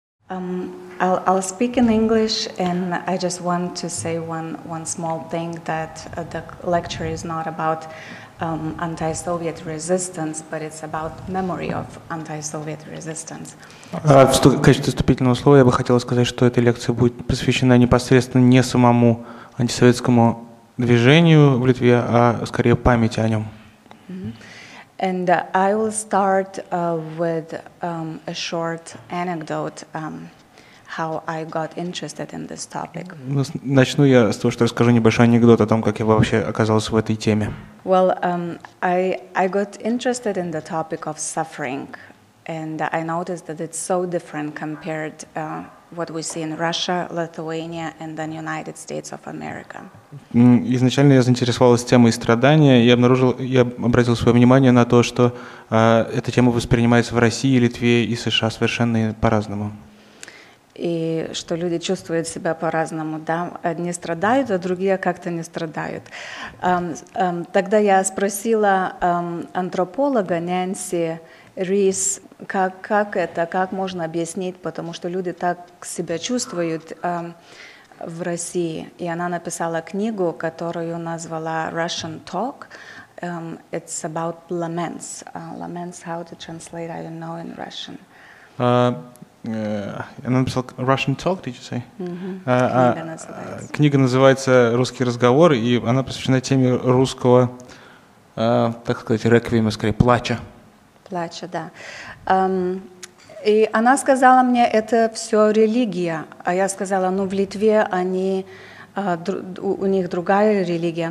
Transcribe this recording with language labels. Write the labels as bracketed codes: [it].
[en] I'll speak in English, and I just want to say one small thing that the lecture is not about anti-Soviet resistance, but it's about memory of anti-Soviet resistance. [ru] В качестве вступительного слова я бы хотел сказать, что эта лекция будет посвящена непосредственно не самому антисоветскому движению в Литве, а скорее памяти о нем. [en] And I will start with a short anecdote how I got interested in this topic. [ru] Начну я с того, что расскажу небольшой анекдот о том, как я вообще оказался в этой теме. [en] Well, I got interested in the topic of suffering, and I noticed that it's so different compared what we see in Russia, Lithuania, and then United States of America. [ru] Изначально я заинтересовалась темой страдания, и я обратил свое внимание на то, что эта тема воспринимается в России, Литве и США совершенно по-разному. И что люди чувствуют себя по-разному, да? Одни страдают, а другие как-то не страдают. Тогда я спросила антрополога Нэнси Рис, как можно объяснить, потому что люди так себя чувствуют в России. И она написала книгу, которую назвала «Russian Talk». [en] It's about laments. Laments, how to translate, I don't know in Russian. [ru] Она написала «Russian Talk», [en] did you say? [ru] Mm-hmm. Книга называется «Русский разговор», и она посвящена теме русского, так сказать, реквиема, скорее, плача. Плача, да. И она сказала мне, это все религия. А я сказала, ну в Литве они, у них другая религия.